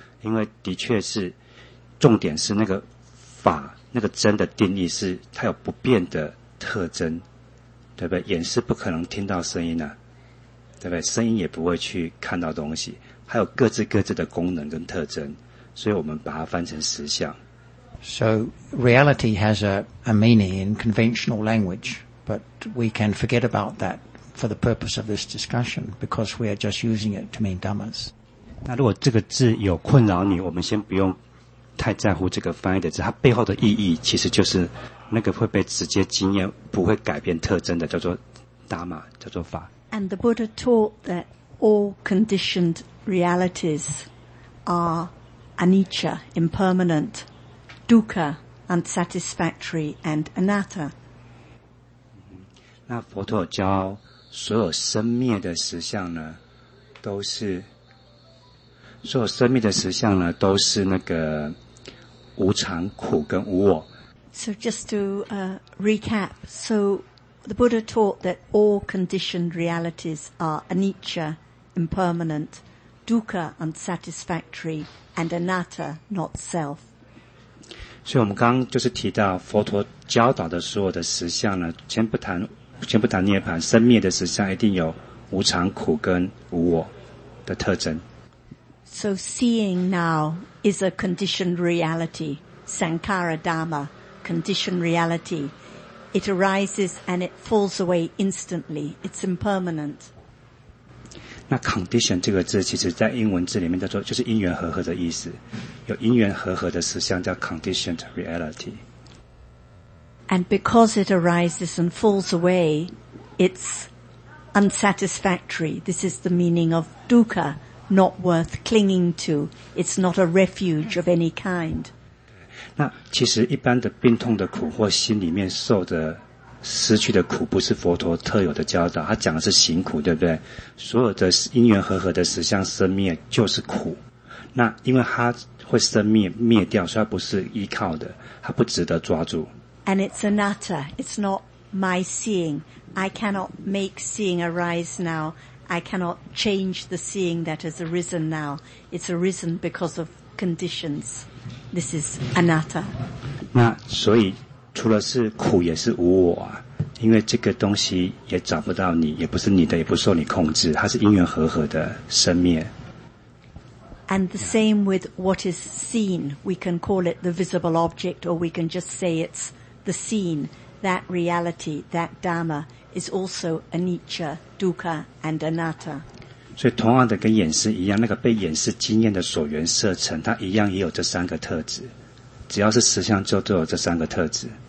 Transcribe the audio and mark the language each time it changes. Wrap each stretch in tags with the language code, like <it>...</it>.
<zh>因为的确是重点是那个法那个真的定义是它有不变的特征，对不对？眼是不可能听到声音的、啊。对不对？声音也不会去看到东西，还有各自各自的功能跟特征，所以我们把它翻成实相。</zh> <en>So reality has a meaning in conventional language, but we can forget about that for the purpose of this discussion because we are just using it to mean dhammas.</en> <zh>那如果这个字有困扰你，我们先不用太在乎这个翻译的字，它背后的意义其实就是那个会被直接经验、不会改变特征的，叫做 dhamma， 叫做法。</zh> <en>And the Buddha taught that all conditioned realities are anicca, impermanent, dukkha, unsatisfactory, and anatta.</en> <zh>那佛陀教所有生灭的实相呢，都是所有生灭的实相呢，都是那个无常、苦跟无我。</zh> <en>So just to recap, so. The Buddha taught that all conditioned realities are anicca, impermanent, dukkha, unsatisfactory, and anatta, not self.</en> <zh>所以我们刚刚就是提到佛陀教导的所有的实相呢，先不谈涅槃，生灭的实相一定有无常、苦跟无我的特征。</zh> <en>So seeing now is a conditioned reality, Sankara Dhamma, conditioned reality. It arises and it falls away instantly. It's impermanent.</en> <zh>那 condition 这个字其实在英文字里面叫做就是因缘和合的意思，有因缘和合的实相叫</zh> <en>conditioned reality. And because it arises and falls away, it's unsatisfactory. This is the meaning of dukkha, not worth clinging to. It's not a refuge of any kind.</en> <zh>那其实一般的病痛的苦或心里面受的失去的苦不是佛陀特有的教导，他讲的是行苦，对不对？所有的因缘和合的实相生灭就是苦，那因为它会生灭灭掉，所以它不是依靠的，它不值得抓住。</zh> <en>And it's anatta, it's not my seeing. I cannot make seeing arise now. I cannot change the seeing that has arisen now. It's arisen because of conditions. This is anatta.</en> <zh>那所以。除了是苦也是无我啊，因为这个东西也找不到你，也不是你的，也不受你控制，它是因缘和合的生灭。</zh> <en>And the same with what is seen, we can call it the visible object, or we can just say it's the seen. That reality, that dharma, is also anicca, dukkha, and anatta.</en> <zh>所以同样的跟眼识一样，那个被眼识经验的所缘色尘，它一样也有这三个特质。只要是实相就都有这三个特质。</zh>